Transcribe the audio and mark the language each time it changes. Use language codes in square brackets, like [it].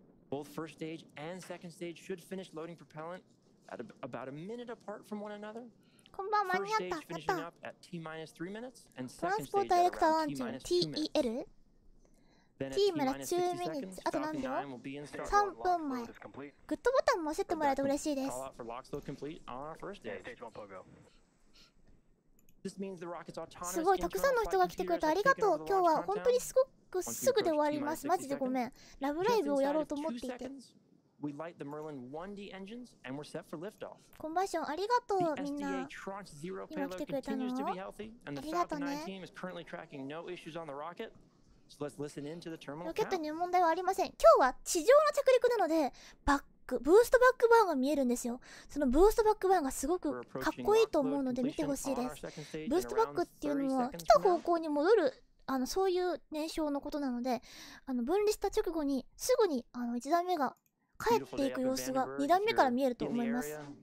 [en] Both first stage and second stage should finish loading propellant. About a minute apart from one another. [ja] こんばんは、間に合った。やった。トランスポーターエレクターワンチュー、TEL? T マラ中ミニッツ、あと何秒 ?3 分前。グッドボタンも押してもらえると嬉しいです。すごい、たくさんの人が来てくれてありがとう。今日は本当にすごくすぐで終わります。マジでごめん。ラブライブをやろうと思っていて。 [en] We light the Merlin 1D engines and we're set for liftoff. [ja] コンバーション、ありがとう、みんな。 [en] The SDA Tranche 0 payload continues to be healthy, and the Falcon 9 team is currently tracking no issues on the rocket. So let's listen in to the terminal [ja] count. ロケットに問題はありません。今日は地上の着陸なので、ブーストバックバーンが見えるんですよ。そのブーストバックバーンがすごくかっこいいと思うので見てほしいです。ブーストバックっていうのは来た方向に戻る。そういう燃焼のことなので、分離した直後にすぐに1段目が帰っていく様子が2段目から見えると思います。